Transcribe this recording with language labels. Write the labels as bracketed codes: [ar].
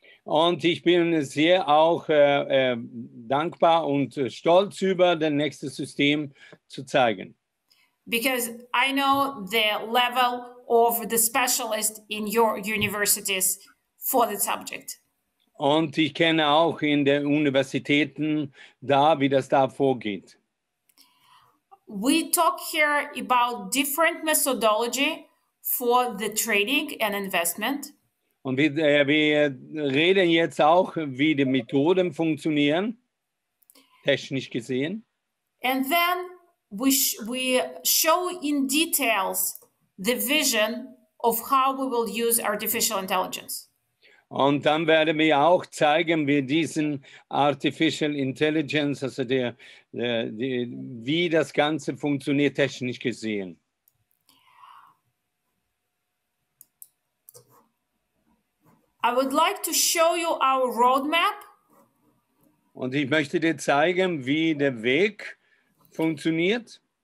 [de] Und ich bin sehr auch dankbar und stolz über das nächste System zu zeigen. [en] Because I know the level of the specialist in your universities for the subject. [de] Und ich kenne auch in den Universitäten da, wie das da vorgeht. [en] We talk here about different methodology for the trading and investment. [de] Und wir reden jetzt auch, wie die Methoden funktionieren, technisch gesehen. [en] And then we show in details the vision of how we will use artificial intelligence. [de] Und dann werden wir auch zeigen, wie diesen Artificial Intelligence, also wie das Ganze funktioniert, technisch gesehen. [en] I would like to show you our roadmap. [de] Und ich möchte dir zeigen, wie der Weg funktioniert.